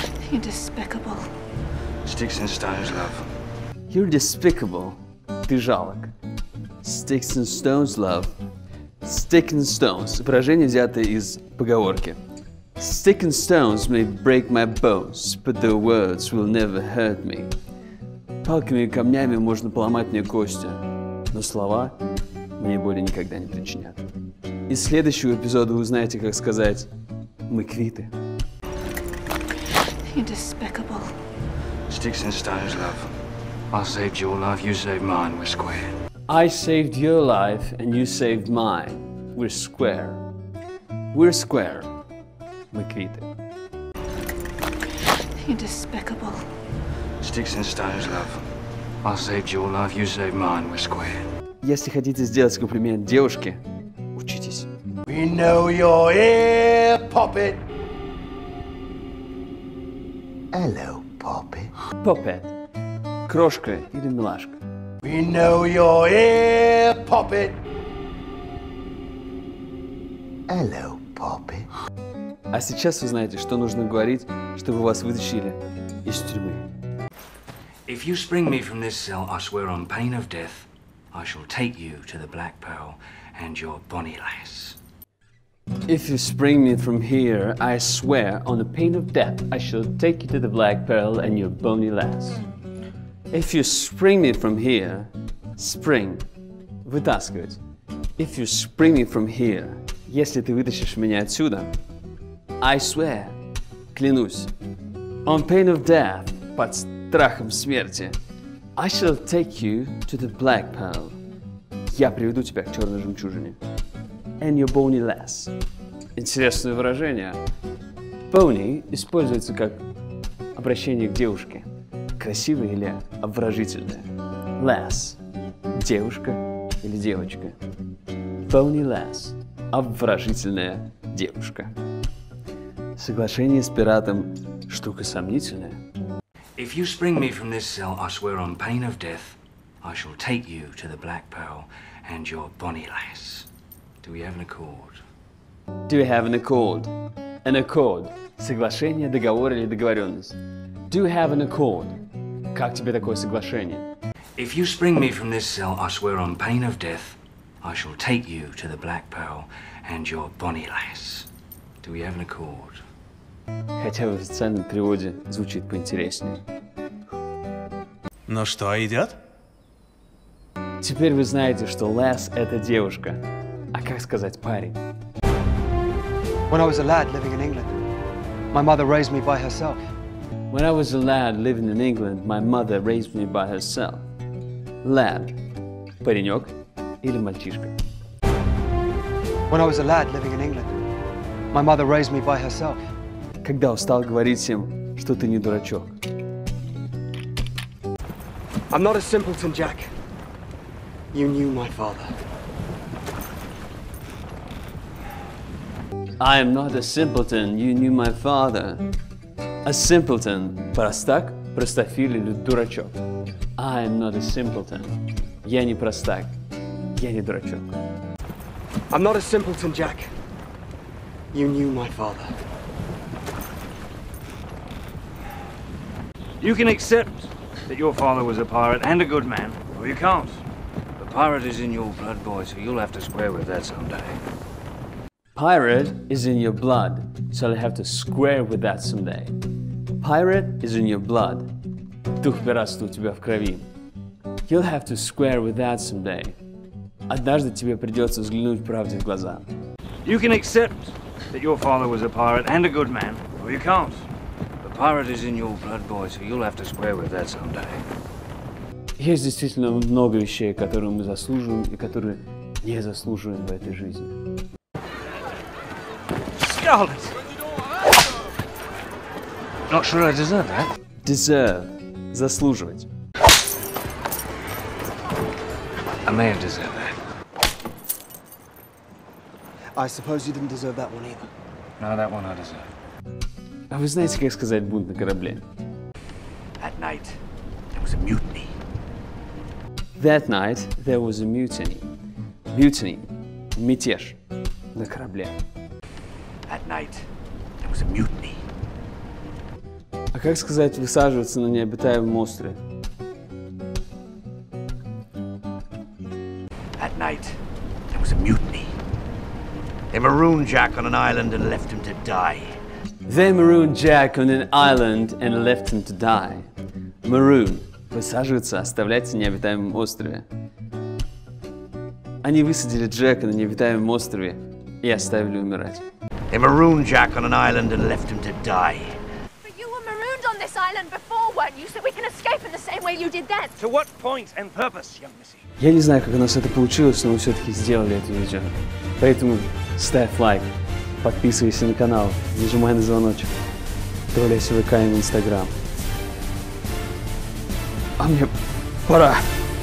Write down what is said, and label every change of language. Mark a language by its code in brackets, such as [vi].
[en] You're despicable. Sticks and stones, love. You're despicable. [ru] Ты жалок. [en] Sticks and stones, love. Stick and stones. [ru] Выражение взятое из поговорки. [en] Stick and stones may break my bones, but the words will never hurt me. [ru] Палками и камнями можно поломать мне кости, но слова мне боли никогда не причинят. Из следующего эпизода вы узнаете, как сказать «Мы квиты». [en] You're despicable. Sticks and stones, love. I saved your life, you saved mine, we're square. I saved your life, and you saved mine. We're square. We're square. [ru] Мы квиты. [en] fucking despicable. Sticks and stones, love. I saved your life, you saved mine, we're square. [ru] Если хотите сделать комплимент девушке, учитесь. [en] We know you're here, puppet. Hello, puppet. [ru] Puppet. Крошка или милашка. [en] We know you're here, puppet. Hello, puppet. [ru] А сейчас вы знаете, что нужно говорить, чтобы вас вытащили из тюрьмы. [en] If you spring me from this cell, I swear on pain of death, I shall take you to the Black Pearl and your bonny lass. If you spring me from here, I swear on the pain of death, I shall take you to the Black Pearl and your bonny lass. If you spring me from here, spring, вытаскивать. If you spring me from here, [ru] если ты вытащишь меня отсюда, [en] I swear, клянусь, on pain of death, [ru] под страхом смерти, [en] I shall take you to the Black Pearl. [ru] Я приведу тебя к черной жемчужине. [en] And your bony lass. [ru] Интересное выражение. Bony используется как обращение к девушке. Красивая или обворожительная. Lass. Девушка или девочка. Bony lass. Обворожительная девушка. Соглашение с пиратом штука сомнительная. [en] If you spring me from this cell, I swear on pain of death, I shall take you to the Black Pearl and your bonny lass. Do we have an accord? Do we have an accord? An accord. [ru] Соглашение, договор или договоренность. [en] Do we have an accord? [ru] Как тебе такое соглашение? [en] If you spring me from this cell, I swear on pain of death, I shall take you to the Black Pearl and your bonny lass. Do we have an accord? [ru] Хотя в официальном переводе звучит поинтереснее. Ну что, едят? Теперь вы знаете, что Лэс — это девушка. А как сказать парень? [en] When I was a lad living in England, my mother raised me by herself. When I was a lad living in England, my mother raised me by herself. Lad. [ru] Паренек или мальчишка. [en] When I was a lad living in England, my mother raised me by herself. [ru] Когда устал говорить им, что ты не дурачок. [en] I'm not a simpleton, Jack. You knew my father. I am not a simpleton, you knew my father. A simpleton. [ru] Простак, простофиль или дурачок. [en] I am not a simpleton. [ru] Я не простак, я не дурачок. [en] I'm not a simpleton, Jack. You knew my father. You can accept that your father was a pirate and a good man, or you can't. The pirate is in your blood, boy, so you'll have to square with that someday. Pirate is in your blood, so you'll have to square with that someday. Pirate is in your blood. [ru] Дух пиратства у тебя в крови. [en] You'll have to square with that someday. [ru] Однажды тебе придется взглянуть правде в глаза. [en] You can accept that your father was a pirate and a good man, or you can't. Pirate is in your blood, boy, so you'll have to square with that someday. [ru] Есть действительно много вещей, которые мы заслуживаем и которые не заслуживаем в этой жизни. [en] Scarlet! Not sure I deserve that. [ru] Deserve. Заслуживать. [en] I may have deserved that. I suppose you didn't deserve that one either. No, that one I deserve. [ru] А вы знаете, как сказать бунт на корабле? [en] That night there was a mutiny. That night there was a mutiny. Mutiny. [ru] Мятеж на корабле. [en] That night there was a mutiny. [ru] А как сказать высаживаться на необитаемом острове? [en] That night there was a mutiny. They marooned Jack on an island and left him to die. They marooned Jack on an island and left him to die. Maroon. [ru] Высаживаться, оставлять на необитаемом острове. Они высадили Джека на необитаемом острове и оставили умирать. [en] They marooned Jack on an island and left him to die. But you were marooned on this island before, weren't you? So we can escape in the same way you did then. To what point and purpose, young missy? [ru] Я не знаю, как у нас это получилось, но мы все-таки сделали это видео. Поэтому ставь лайк. Подписывайся на канал, нажимай на звоночек. Выкладывайся в ВК и в Инстаграм. А мне пора.